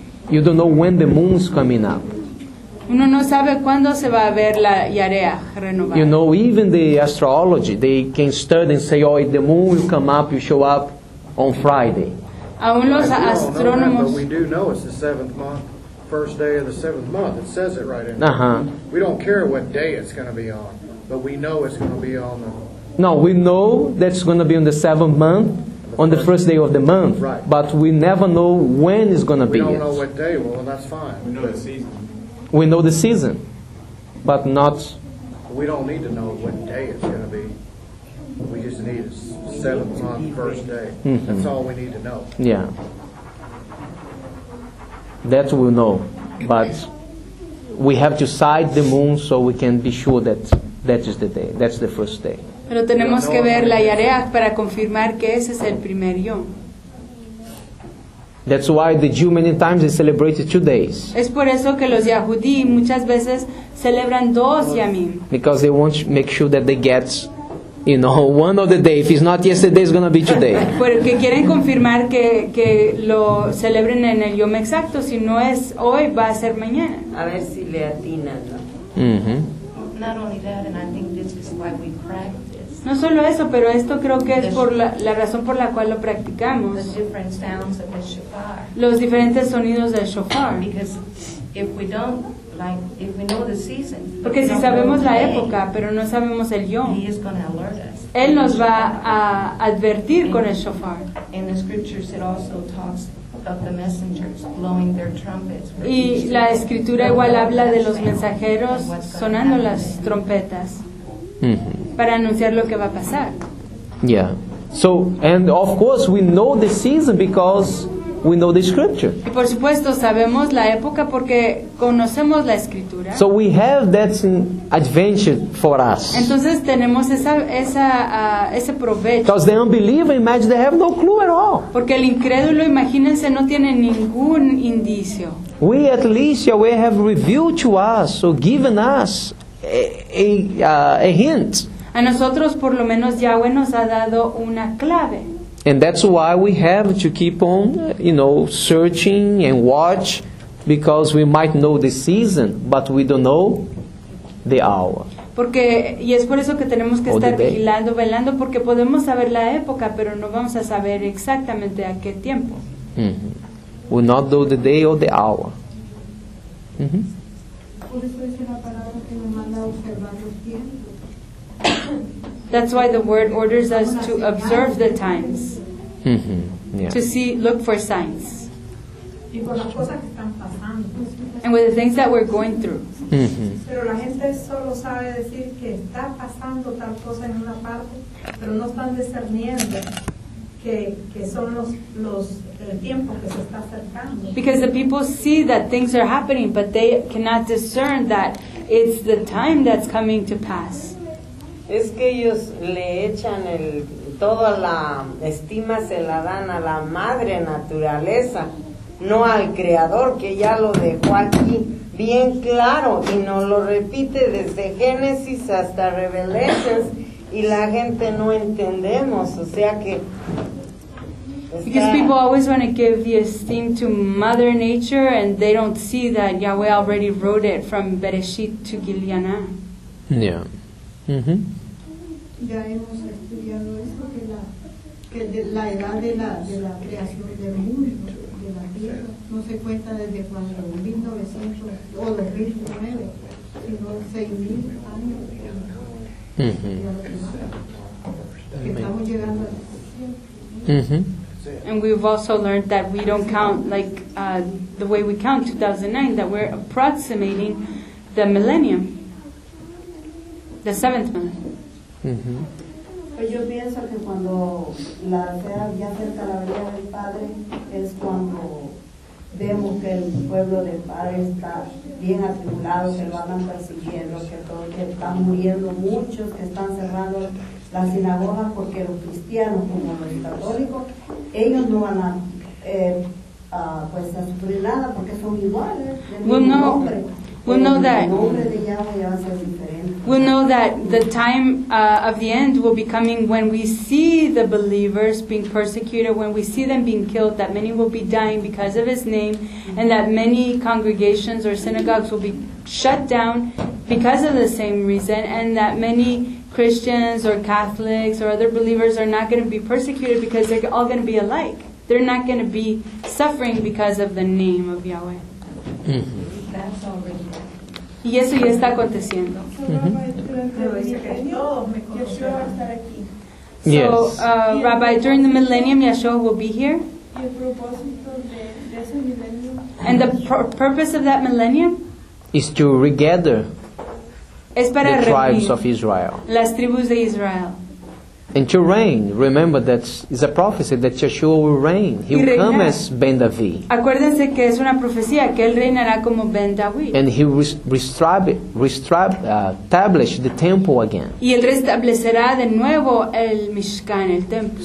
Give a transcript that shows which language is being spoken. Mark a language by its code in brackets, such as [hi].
[en] You don't know when the moon's coming up. [es] Uno no sabe cuándo se va a ver la Yareach renovada. [en] You know, even the astrology, they can study and say, oh, the moon will come up, you show up on Friday. [es] Aún los astrónomos. [en] But we do know it's the seventh month, first day of the seventh month. It says it right in there. Uh-huh. We don't care what day it's going to be on, but we know it's going to be on the... No, we know that it's going to be on the seventh month, on the first day of the month. Right. But we never know when it's going to be. We don't know what day. Well, that's fine. We know the season. We know the season, but not... We don't need to know what day it's going to be. We just need it. Seventh month, first day. Mm-hmm. That's all we need to know. Yeah. That we'll know. But we have to sight the moon so we can be sure that that is the day. That's the first day. [es] Pero tenemos que ver la Yareach para confirmar que ese es el primer yom. [en] That's why the Jew many times they celebrated 2 days. [es] Es por eso que los Yahudí muchas veces celebran dos yamim. [en] Because they want to make sure that they get, you know, one of the days. If it's not yesterday, it's going to be today. [es] Porque quieren confirmar que lo celebren en el yom exacto. Si no es hoy, va a ser mañana. A ver si le atinan. Mm-hmm. [en] Not only that, and I think this is why we practice. [es] No solo eso, pero esto creo que es por la razón por la cual lo practicamos. [en] The different sounds of the shofar. [es] Los diferentes sonidos del shofar. [en] Because if we don't, like if we know the season, [es] porque si sabemos la época, pero no sabemos el yom, [en] he is gonna alert us. [es] Él nos va a advertir con el shofar. [en] In the scriptures, it also talks of the messengers blowing their trumpets. [es] Y la escritura igual habla de los mensajeros sonando las trompetas. para anunciar lo que va a pasar. [en] Yeah. So, and of course we know the season because we know the scripture. [es] Y por supuesto sabemos la época porque conocemos la escritura. [en] So we have that advantage for us. [es] Entonces tenemos ese provecho. [en] Because the unbeliever, imagine, they have no clue at all. [es] Porque el incrédulo, imagínense, no tiene ningún indicio. [en] We at least, Yahweh, have revealed to us or given us a hint. [es] A nosotros por lo menos Yahweh nos ha dado una clave. [en] And that's why we have to keep on, you know, searching and watch, because we might know the season, but we don't know the hour. [es] Porque, y es por eso que tenemos que estar vigilando, velando, porque podemos saber la época, pero no vamos a saber exactamente a qué tiempo. Mm-hmm. [en] We'll not know the day or the hour. [es] Por eso dice la palabra que nos manda observar los tiempos. [en] That's why the word orders us to observe the times. Mm-hmm. Yeah. To see, look for signs. [es] Y por las cosas que están pasando. [en] And with the things that we're going through. [es] Pero la gente solo sabe decir que está pasando tal cosa en una parte, pero no están discerniendo que son los tiempos que se está acercando. [en] Because the people see that things are happening, but they cannot discern that it's the time that's coming to pass. [es] Es que ellos le echan el toda la estima, se la dan a la madre naturaleza, no al creador, que ya lo dejó aquí bien claro y nos lo repite desde Génesis hasta Revelaciones, y la gente no entendemos, o sea que [en] because people always want to give the esteem to Mother Nature and they don't see that Yahweh already wrote it from Bereshit to Giliana. Yeah. [es] Ya hemos estudiado esto que la edad de la creación del mundo, de la tierra, no se cuenta desde cuando 1900 o 2009, sino 6000 años. Estamos llegando al [en] And we've also learned that we don't count like the way we count 2009, that we're approximating the millennium. The seventh month. [es] Yo pienso que cuando la sea ya cerca la venida del Padre es cuando vemos que el pueblo del Padre está bien atribulado, que lo andan persiguiendo, que todo, que están muriendo muchos, que están cerrando las sinagogas, porque los cristianos, como los católicos, ellos no van a pues a sufrir nada porque son iguales. Bueno, no. [en] We'll know that the time of the end will be coming when we see the believers being persecuted, when we see them being killed, that many will be dying because of his name, and that many congregations or synagogues will be shut down because of the same reason, and that many Christians or Catholics or other believers are not going to be persecuted because they're all going to be alike. They're not going to be suffering because of the name of Yahweh. That's already. [es] Y eso ya está aconteciendo. Mm-hmm. [en] So, Rabbi, during the millennium, Yeshua will be here. And the purpose of that millennium is to regather the tribes of Israel. [es] Las tribus de Israel. [en] And to reign. Remember, that is a prophecy that Yeshua will reign. He will come as Ben David. [es] Acuérdense que es una profecía, que él reinará como Ben David. [en] And he will establish the temple again. [es] Y él restablecerá de nuevo el Mishkan, el templo.